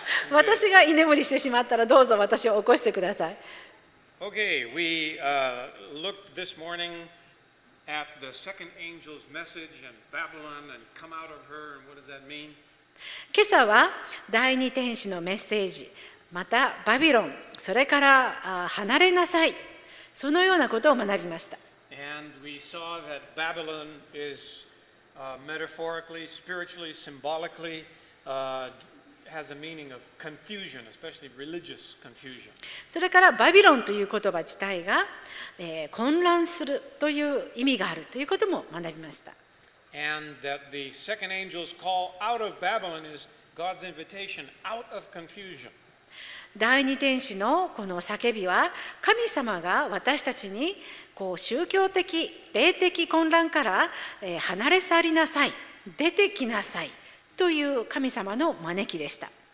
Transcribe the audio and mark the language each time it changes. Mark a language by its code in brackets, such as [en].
[ja] 私が居眠りしてしまったら、どうぞ私を起こしてください。 [en] Okay, we looked this morning at the second angel's message and Babylon and come out of her and what does that mean? [ja] 今朝は第二天使のメッセージ、またバビロン、それから離れなさい、そのようなことを学びました。 [en] And we saw that Babylon is metaphorically, spiritually, symbolically, has a meaning of confusion, especially religious confusion. [ja] それからバビロンという言葉自体が、混乱するという意味があるということも学びました。 [en] And that the second angel's call out of Babylon is God's invitation out of confusion. [ja] 第二天使のこの叫びは神様が私たちにこう宗教的霊的混乱から離れ去りなさい出てきなさいという神様の招きでした。